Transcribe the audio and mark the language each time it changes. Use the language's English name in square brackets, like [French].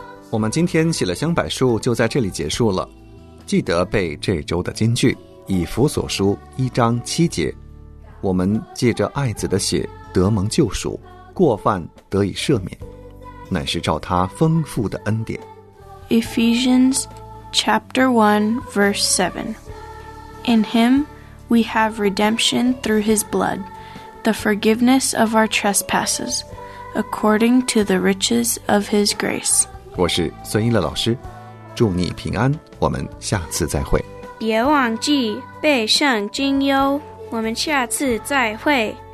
[Chinese] 我们今天喜乐香柏树就在这里结束了，记得背这周的金句，以弗所书1:7，我们借着爱子的血得蒙救赎，过犯得以赦免，乃是照他丰富的恩典。 [English] Ephesians 1:7， In him we have redemption through his blood, the forgiveness of our trespasses, according to the riches of his grace。 [Chinese] 我是孙一乐老师，祝你平安，我们下次再会。别忘记背圣经哟，我们下次再会。